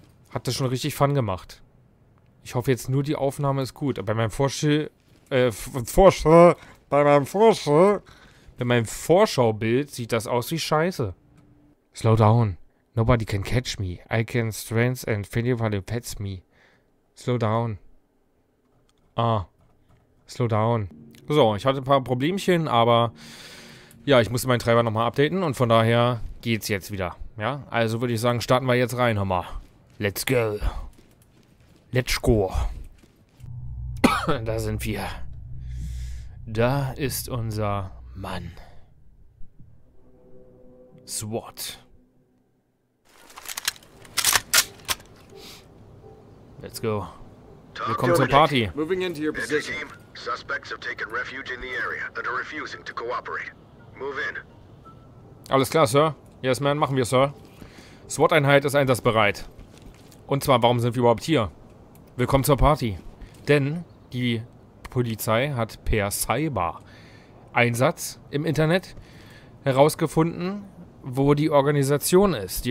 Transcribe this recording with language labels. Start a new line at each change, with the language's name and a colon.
German: Hat das schon richtig Fun gemacht. Ich hoffe jetzt nur, die Aufnahme ist gut. Bei meinem Vorschaubild sieht das aus wie Scheiße.
English: Slow down. Nobody can catch me. I can strength and anybody pets me. Slow down. Ah. Slow down.
German: So, ich hatte ein paar Problemchen, aber ja, ich musste meinen Treiber nochmal updaten und von daher geht's jetzt wieder. Ja, also würde ich sagen, starten wir jetzt rein, Hammer.
English: Let's go. Let's go.
German: Da sind wir. Da ist unser Mann.
English: SWAT. Let's go.
German: Willkommen zur Party.
English: Moving into your position. Team, suspects have taken refuge in the area and are refusing to cooperate. Move in.
German: Alles klar, Sir.
English: Yes, man,
German: machen wir, Sir. SWAT-Einheit ist einsatzbereit. Und zwar, warum sind wir überhaupt hier? Willkommen zur Party. Denn die Polizei hat per Cyber-Einsatz im Internet herausgefunden, wo die Organisation ist.